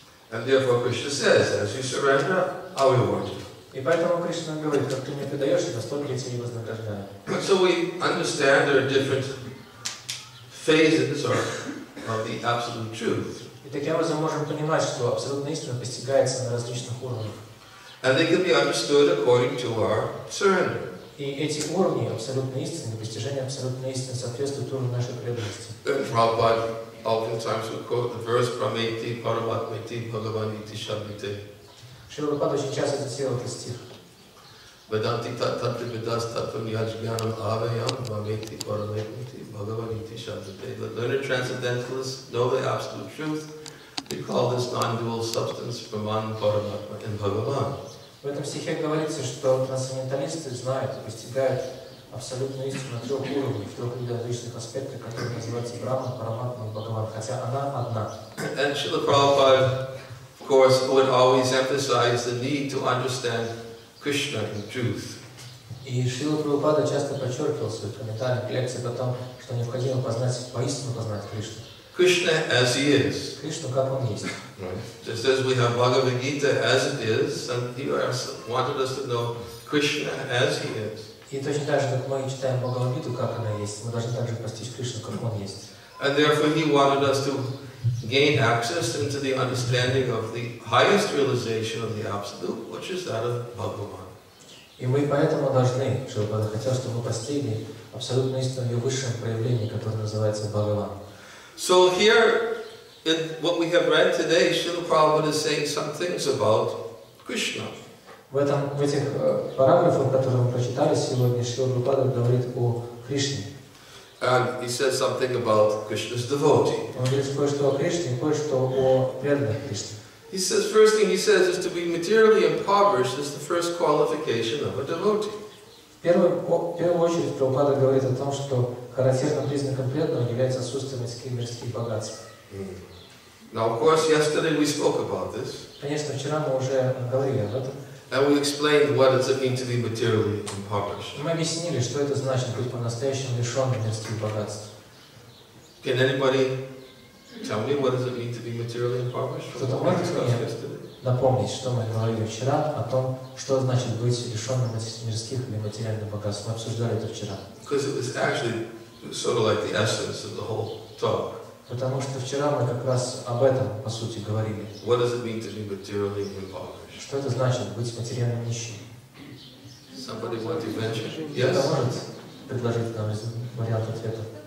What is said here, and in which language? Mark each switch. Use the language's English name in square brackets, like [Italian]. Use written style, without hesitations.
[English] And therefore Krishna says, as you surrender, I will reward you. [Russian] И поэтому Кришна говорит, как ты мне предаешь, я настолько я тебе вознаграждаю. [English] So we understand there are different phases of the absolute truth. [Russian] И таким образом можем понимать, что абсолютная истина постигается на различных уровнях. [English] And they can be understood according to our surrender. [Russian] И эти уровни абсолютной истины, достижения абсолютной истины соответствуют уровню нашей преданности. [English] Oftentimes we quote the verse [Sanskrit] Prameti Paramatmeti Bhagavaniti Shabite. [Russian] Шрилупад очень часто цитирует этот стих. [Sanskrit] Vedanti tattva vidas tattva nyajnanam avayam Prameti Paramatmeti Bhagavaniti Shabite. [English] The learned transcendentalists know the absolute truth. They call this non-dual substance Brahman, Paramatma, and Bhagavan. [Russian] В этом стихе говорится, что трансценденталисты знают и постигают абсолютную истину на трех уровнях, в трех различных аспектах, которые называются Брахма, Параматма и Бхагаван, хотя она одна. [English] And Srila Prabhupada, of course, would always emphasize the need to understand Krishna in truth. [Russian] И Шрила Прабхупада часто подчеркивал в своих комментариях, лекциях о том, что необходимо познать, поистину познать Кришну. [English] Krishna as he is. [Russian] Кришна как он есть. [English] Just as we have Bhagavad Gita as it is, and he wanted us to know Krishna as he is. [Russian] И точно так же, как мы читаем Бхагавад-гиту, как она есть, мы должны также постичь Кришну, как Он есть. [English] And therefore He wanted us to gain access into the understanding of the highest realization of the Absolute, which is that of Bhagavan. [Russian] И мы поэтому должны, Шрила хотел, чтобы мы постигли абсолютную истину Ее высшего проявления, которое называется Бхагаван. [English] So here, in what we have read today, Srila Prabhupada is saying some things about Krishna. [Russian] В этих параграфах, которые мы прочитали сегодня, Шрила Прабхупада говорит о Кришне. [English] And he says something about Krishna's devotee. [Russian] Он говорит кое-что о Кришне, кое-что о преданных Кришне. [English] He says, first thing he says is to be materially impoverished is the first qualification of a devotee. [Russian] В первую очередь Прабхупада говорит о том, что характерным признаком преданного является отсутствие материальных мирских богатств. [English] Now, of course, yesterday we spoke about this. [Russian] Конечно, вчера мы уже говорили об этом. [English] And we explained what it means to be materially impoverished. [Russian] Мы объяснили, что это значит быть по-настоящему лишенным мирских богатств. [English] Can anybody tell me what does it mean to be materially impoverished? [Russian] Кто-то может мне напомнить, что мы говорили вчера о том, что значит быть лишенным мирских или материальных богатств? Мы обсуждали это вчера. [English] Because it was actually sort of like the essence of the whole talk. [Russian] Потому что вчера мы как раз об этом, по сути, говорили. [English] What does it mean to be materially impoverished? [Russian] Что это значит быть материально нищим? [English] Somebody want to venture? Yes. [Russian] Кто-то может предложить нам вариант ответа?